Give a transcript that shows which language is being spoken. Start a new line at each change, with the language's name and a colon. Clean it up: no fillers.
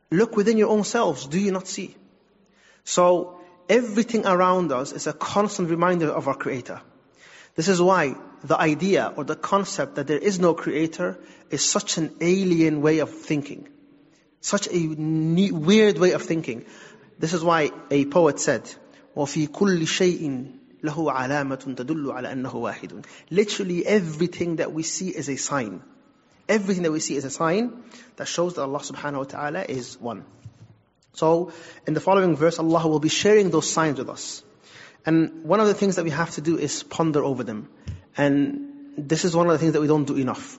English: Look within your own selves, do you not see? So everything around us is a constant reminder of our Creator. This is why the idea or the concept that there is no Creator is such an alien way of thinking. Such a weird way of thinking. This is why a poet said,
Arabic: وَفِي كُلِّ شَيْءٍ لَهُ عَلَامَةٌ تَدُلُّ عَلَى أَنَّهُ وَاحِدٌ.
English: Literally everything that we see is a sign. Everything that we see is a sign that shows that Allah subhanahu wa ta'ala is one. So in the following verse, Allah will be sharing those signs with us. And one of the things that we have to do is ponder over them. And this is one of the things that we don't do enough.